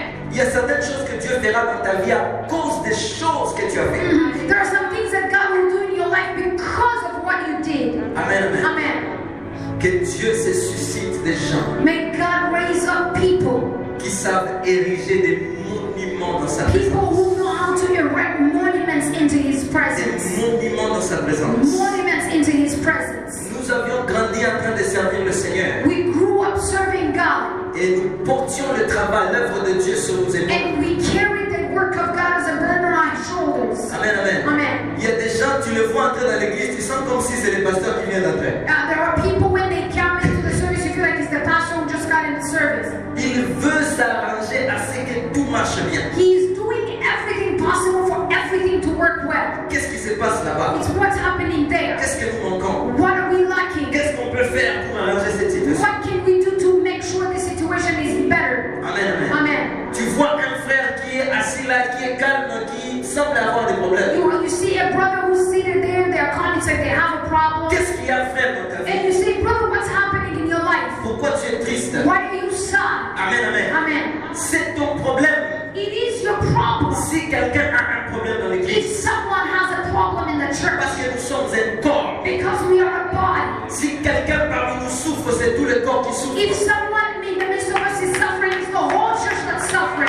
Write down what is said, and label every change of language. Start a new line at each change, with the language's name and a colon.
French: Il y a certaines choses que Dieu verra dans ta vie à cause des choses que tu as faites.
English: There are some things that God will do in your life because of what you did.
French: Amen, amen.
English: Amen.
French: Que Dieu se suscite des gens.
English: May God raise up people.
French: Qui savent ériger des monuments dans sa
English: people
French: présence.
English: People who know how to erect monuments into His presence.
French: Des monuments dans sa présence.
English: Monuments into His presence.
French: Nous avions grandi en train de servir le Seigneur.
English: We grew up serving God.
French: Et nous portions le travail, l'œuvre de Dieu sur nos épaules.
English: And we carry the work of God as a burden on our shoulders.
French: Amen, amen.
English: Amen.
French: Il y a des gens, tu le vois entrer dans l'église, tu sens comme si c'est le pasteur qui vient d'entrer.
English: There are people when they come into the service, you feel like it's the pastor who just got in the service.
French: Il veut s'arranger à ce que tout marche bien.
English: He is doing everything possible for everything to work well.
French: Qu'est-ce qui se passe là-bas?
English: It's what's happening there.
French: Qu'est-ce que nous manquons?
English: What are we lacking?
French: Qu'est-ce qu'on peut faire pour arranger cette situation?
English: What can we do to make sure this situation is better?
French: Amen, amen.
English: Amen.
French: Tu vois un frère qui est assis là, qui est calme, qui semble avoir des problèmes.
English: You see a brother who's sitting there, they are calm, it's like they have a problem.
French: Qu'est-ce qu'il y a, frère, dans ta vie?
English: And you say, brother, what's happening in your life?
French: Pourquoi tu es triste?
English: Why are you sad?
French: Amen, amen.
English: Amen.
French: C'est ton problème.
English: it is your problem.
French: Si quelqu'un a un problème dans l'église,
English: if someone has a problem in the church,
French: parce que nous sommes un corps,
English: because we are a body,
French: si quelqu'un parmi nous souffre, c'est tout le corps qui souffre.
English: If someone in the midst of us is suffering, it's the whole church that's suffering.